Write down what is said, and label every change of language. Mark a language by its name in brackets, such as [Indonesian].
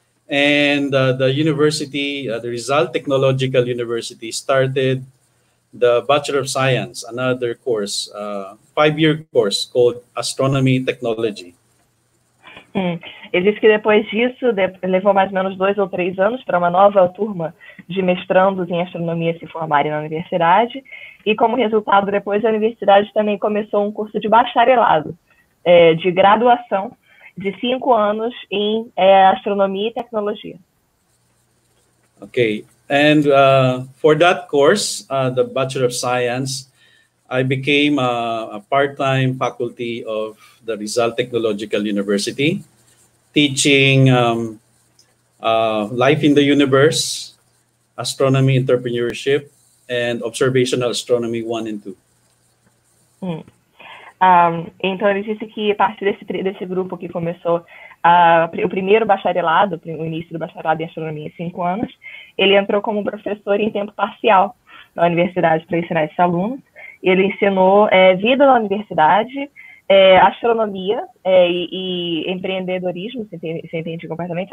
[English] And the university, the Rizal Technological University, started the Bachelor of Science, another course, 5-year course called Astronomy Technology. [Portuguese] Ele disse que depois disso, levou mais ou menos 2 ou 3 anos para uma nova turma de mestrandos em astronomia se formarem na universidade. E como resultado, depois a universidade também começou um curso de bacharelado, de graduação, de 5 anos em astronomia e tecnologia. Okay. [English] And for that course, the Bachelor of Science, I became a part-time faculty of the Rizal Technological University, teaching life in the universe, astronomy, entrepreneurship, and observational astronomy 1 and 2. [Portuguese] Então, ele disse que parte desse grupo que começou o primeiro bacharelado, o início do bacharelado em astronomia, 5 anos, ele entrou como professor em tempo parcial na universidade para ensinar esses alunos. Ele ensinou vida na universidade, astronomia e empreendedorismo, você entende completamente?